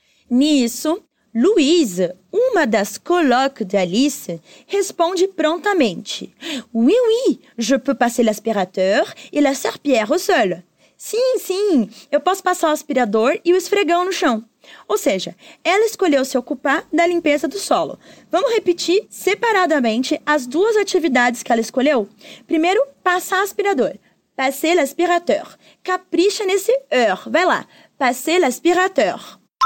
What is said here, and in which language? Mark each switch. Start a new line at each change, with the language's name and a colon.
Portuguese: Nisso, Louise, uma das colocs d'Alice, responde prontamente.
French: Oui, oui, je peux passer l'aspirateur et la serpillière au sol.
Portuguese: Sim, sim, eu posso passar o aspirador e o esfregão no chão. Ou seja, ela escolheu se ocupar da limpeza do solo. Vamos repetir separadamente as duas atividades que ela escolheu? Primeiro, passar o aspirador.
French: Passer l'aspirateur.
Portuguese: Capricha nesse er, vai lá.
French: Passer l'aspirateur.